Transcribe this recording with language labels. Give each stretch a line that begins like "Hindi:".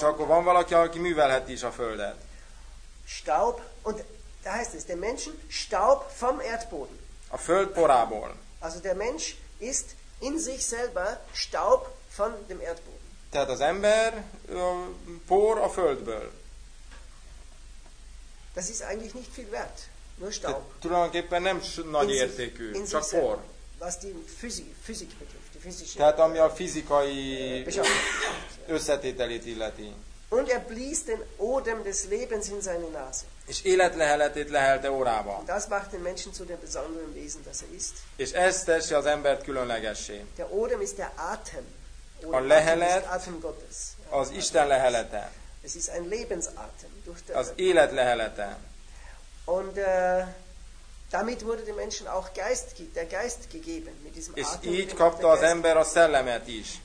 Hungarian: És akkor van valaki, aki művelheti is a földet.
German: Staub und da heißt es, der Menschen Staub vom Erdboden.
Hungarian: A föld porából.
German: Also der Mensch ist in sich selber Staub von dem Erdboden.
Hungarian: Tehát az ember por a földből.
German: Das ist eigentlich nicht viel wert, nur Staub.
Hungarian: Tulajdonképpen nem nagy értékű, csak por.
German: Was die Physik betrifft, die physische.
Hungarian: Tehát ami a fizikai összetételét illeti.
German: Und blies den Odem des Lebens in seine Nase.
Hungarian: És életleheletét lehelte orrába.
German: Das macht den Menschen zu dem besonderen Wesen, das er ist.
Hungarian: És ez teszi az embert különlegessé.
German: Der Odem ist der Atem.
Hungarian: A lehelet az Isten lehelete.
German: Es ist ein Lebensatem durch
Hungarian: der az élet lehelete.
German: Und damit wurde dem Menschen auch der Geist gegeben mit diesem Atem.
Hungarian: És így kapta az ember a szellemet is.